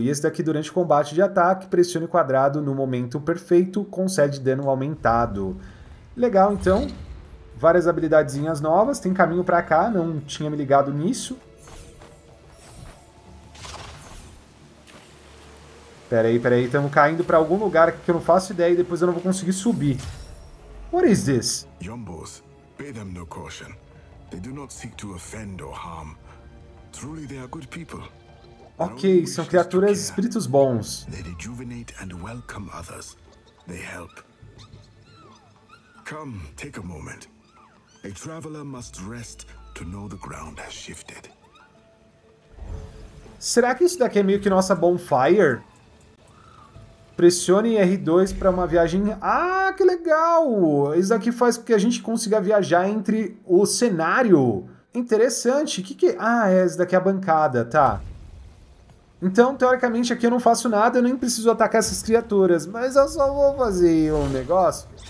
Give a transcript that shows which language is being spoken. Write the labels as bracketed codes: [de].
[pt] E esse daqui durante o combate de ataque. Pressione o quadrado no momento perfeito, concede dano aumentado. Legal, então. Várias habilidadezinhas novas, tem caminho para cá, não tinha me ligado nisso. Peraí, estamos caindo para algum lugar que eu não faço ideia e depois eu não vou conseguir subir. [en] What is this? Yombos, pay them no caution. They do not seek to offend or harm. Truly they are good people. [pt] Ok, são criaturas espíritos bons. [en] They rejuvenate and welcome others. They help. Come, take a moment. A traveler must rest to know the ground has shifted. [pt] Será que isso daqui é meio que nossa bonfire? Pressione R2 para uma viagem. Ah, que legal! Isso daqui faz com que a gente consiga viajar entre o cenário. Interessante. Ah, é, isso daqui é a bancada, tá. Então, teoricamente, aqui eu não faço nada, eu nem preciso atacar essas criaturas, mas eu só vou fazer um negócio.